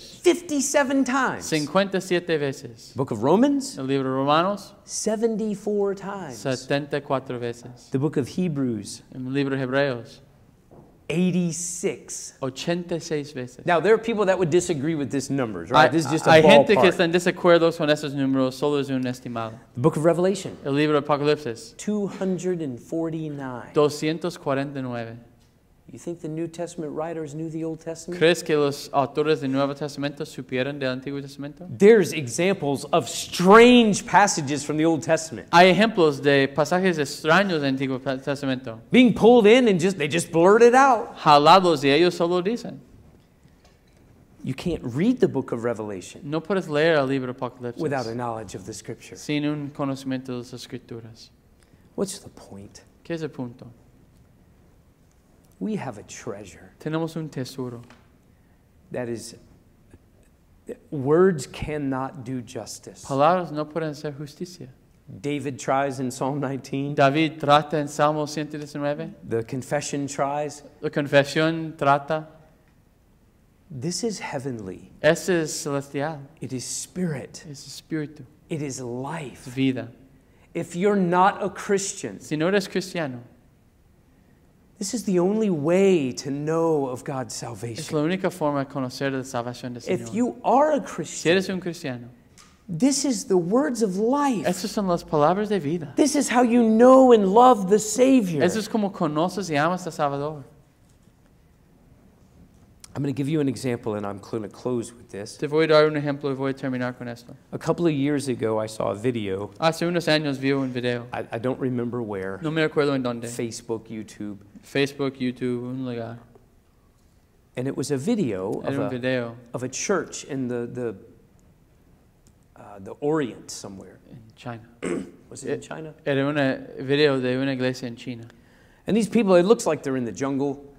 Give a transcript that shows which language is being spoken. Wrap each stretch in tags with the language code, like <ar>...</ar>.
<en>57 times.</en> <es>57 veces.</es> <en>Book of Romans.</en> <es>El Libro de Romanos.</es> <en>74 times.</en> <es>74 veces.</es> <en>The Book of Hebrews.</en> <es>El Libro de Hebreos. 86. 86 veces.</es> <en>Now, there are people that would disagree with these numbers, right? This is just a ballpark.</en> <es>Hay gente que están desacuerdos con esos números, solo es un estimado.</es> <en>The Book of Revelation.</en> <es>El Libro de Apocalipsis. 249. 249.</es> <en>You think the New Testament writers knew the Old Testament?</en> <es>¿Crees que los autores del Nuevo Testamento supieron del Antiguo Testamento?</es> <en>There's examples of strange passages from the Old Testament.</en> <es>Hay ejemplos de pasajes extraños del Antiguo Testamento.</es> <en>Being pulled in and they just blurt it out.</en> <es>Jalados y ellos solo dicen.</es> <en>You can't read the Book of Revelation.</en> <es>No puedes leer el Libro de Apocalipsis.</es> <en>Without a knowledge of the Scripture.</en> <es>Sin un conocimiento de las Escrituras.</es> <en>What's the point?</en> <es>¿Qué es el punto?</es> <en>We have a treasure.</en> <es>Tenemos un tesoro.</es> <en>That is, words cannot do justice.</en> <es>Palabras no pueden hacer justicia.</es> <en>David tries in Psalm 19.</en> <es>David trata en Salmo 119.</es> <en>The confession tries.</en> <es>La confesión trata.</es> <en>This is heavenly.</en> <es>Eso es celestial.</es> <en>It is spirit.</en> <es>Es espíritu.</es> <en>It is life.</en> <es>Es vida.</es> <en>If you're not a Christian.</en> <es>Si no eres cristiano.</es> <en>This is the only way to know of God's salvation.</en> <es>Es la única forma de conocer la salvación del Señor.</es> <en>If you are a Christian,</en> <es>si eres un cristiano,</es> <en>this is the words of life.</en> <es>Estas son las palabras de vida.</es> <en>This is how you know and love the Savior.</en> <es>Eso es como conoces y amas al Salvador.</es> <en>I'm going to give you an example, and I'm going to close with this.</en> <es>Te voy a dar un ejemplo y voy a terminar con esto.</es> <en>A couple of years ago, I saw a video.</en> <es>Hace unos años vi un video.</es> <en>I don't remember where.</en> <es>No me acuerdo en dónde.</es> <en>Facebook, YouTube.</en> <es>Facebook, YouTube, un lugar.</es> <en>And it was a video,</en> <es>video.</es> <en>Of a church in the Orient somewhere. In China. Was it in China?</en> <es>Era un video de una iglesia en China.</es> <en>And these people, it looks like they're in the jungle.</en>